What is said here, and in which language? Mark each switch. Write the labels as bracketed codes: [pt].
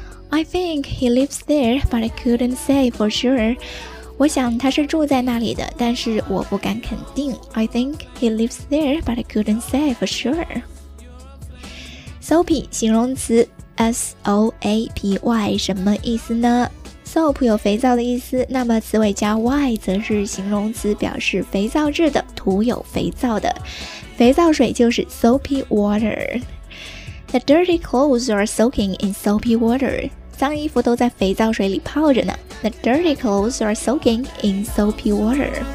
[en] I think he lives there, but I couldn't say for sure. [zh] 我想他是住在那里的，但是我不敢肯定。 [en] I think he lives there, but I couldn't say for sure. [zh] Soapy, 形容词 S-O-A-P-Y, 什么意思呢？ Soap 有肥皂的意思，那么词尾加 Y 则是形容词，表示肥皂质的，涂有肥皂的。肥皂水就是 [en] soapy water. The dirty clothes are soaking in soapy water. [zh] 脏衣服都在肥皂水里泡着呢。 [en] The dirty clothes are soaking in soapy water.